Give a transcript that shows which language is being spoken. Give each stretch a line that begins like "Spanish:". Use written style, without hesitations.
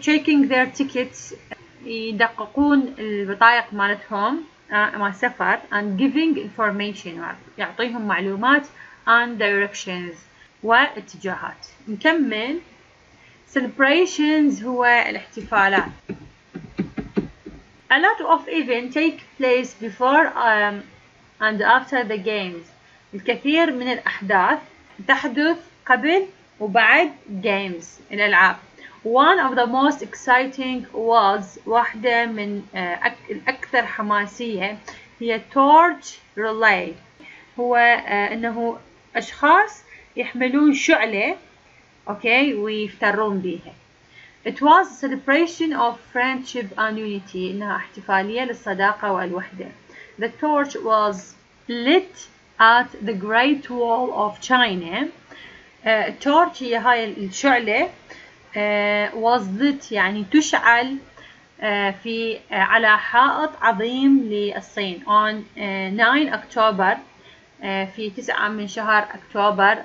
English: Checking their tickets.
Arabic: يدققون البطائق مالتهم. مع سفر.
English: And giving information.
Arabic: يعطيهم معلومات.
English: And directions.
Arabic: واتجاهات. نكمل. Celebrations هو الاحتفالات.
English: A lot of events take place before and after the games.
Arabic: الكثير من الأحداث تحدث قبل وبعد games الألعاب.
English: One of the most exciting was
Arabic: واحدة من الأكثر حماسية هي
English: torch relay.
Arabic: هو أنه أشخاص يحملون شعلة okay, ويفترون بيها.
English: It was a celebration of friendship and unity.
Arabic: إنها احتفالية للصداقة والوحدة.
English: The torch was lit at the Great Wall of China.
Arabic: Torch هي هاي الشعلة.
English: Was lit
Arabic: يعني تشعل في على حائط عظيم للصين.
English: On 9 October
Arabic: في 9 من شهر أكتوبر.